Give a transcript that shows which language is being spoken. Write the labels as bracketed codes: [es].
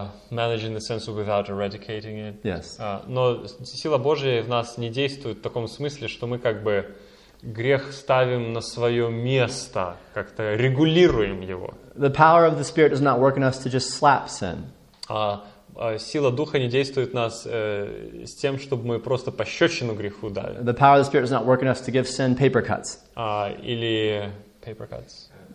[en] Managing the sense without eradicating it. Yes. [ru] Но сила Божия в нас не действует в таком смысле, что мы как бы грех ставим на свое место, как-то регулируем его. [en] The power of the Spirit does not work in us to just slap sin. [ru] Сила Духа не действует в нас с тем, чтобы мы просто пощечину греху дали. [en] The power of the Spirit does not work in us to give sin paper cuts. [ru] Или [en] paper cuts.